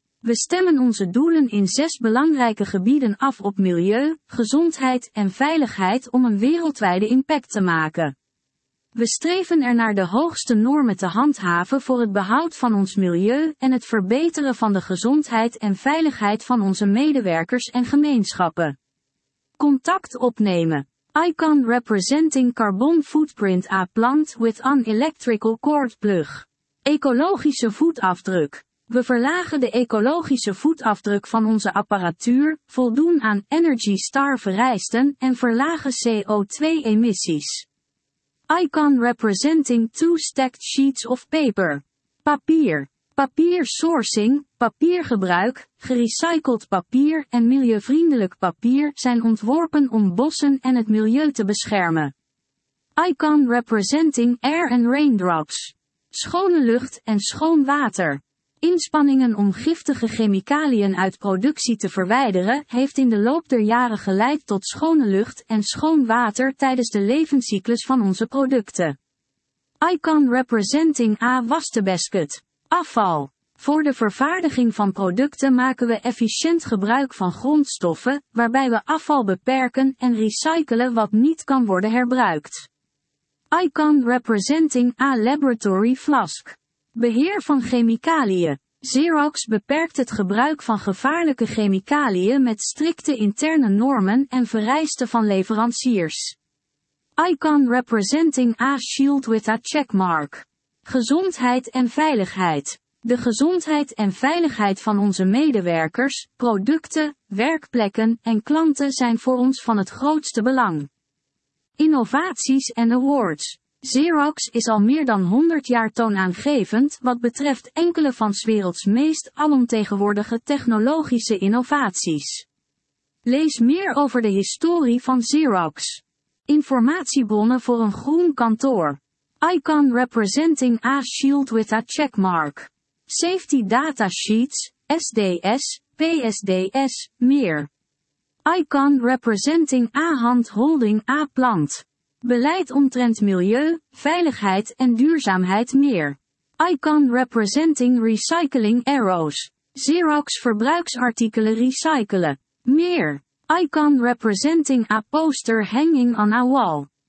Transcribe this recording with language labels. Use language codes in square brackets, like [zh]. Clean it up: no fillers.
[nl] We stemmen onze doelen in 6 belangrijke gebieden af op milieu, gezondheid en veiligheid om een wereldwijde impact te maken. We streven er naar de hoogste normen te handhaven voor het behoud van ons milieu en het verbeteren van de gezondheid en veiligheid van onze medewerkers en gemeenschappen. Contact opnemen. [en] Icon representing carbon footprint a plant with an electrical cord plug. [nl] Ecologische voetafdruk. We verlagen de ecologische voetafdruk van onze apparatuur, voldoen aan Energy Star vereisten en verlagen CO2-emissies. [en] Icon representing 2 stacked sheets of paper. [nl] Papier. Papier sourcing, papiergebruik, gerecycled papier en milieuvriendelijk papier zijn ontworpen om bossen en het milieu te beschermen. [en] Icon representing air and raindrops. [nl] Schone lucht en schoon water. Inspanningen om giftige chemicaliën uit productie te verwijderen heeft in de loop der jaren geleid tot schone lucht en schoon water tijdens de levenscyclus van onze producten. [en] Icon representing a wastebasket. [nl] Afval. Voor de vervaardiging van producten maken we efficiënt gebruik van grondstoffen, waarbij we afval beperken en recyclen wat niet kan worden herbruikt. [en] Icon representing a laboratory flask. [nl] Beheer van chemicaliën. Xerox beperkt het gebruik van gevaarlijke chemicaliën met strikte interne normen en vereisten van leveranciers. [en] Icon representing a shield with a checkmark. [nl] Gezondheid en veiligheid. De gezondheid en veiligheid van onze medewerkers, producten, werkplekken en klanten zijn voor ons van het grootste belang. Innovaties en awards. Xerox is al meer dan 100 jaar toonaangevend wat betreft enkele van 's werelds meest alomtegenwoordige technologische innovaties. Lees meer over de historie van Xerox. Informatiebronnen voor een groen kantoor. [en] Icon representing a shield with a checkmark. Safety data sheets, SDS, PSDS, meer. Icon representing a handholding a plant. [nl] Beleid omtrent milieu, veiligheid en duurzaamheid meer. [en] Icon representing recycling arrows. [nl] Xerox verbruiksartikelen recyclen. Meer. [en] Icon representing a poster hanging on a wall.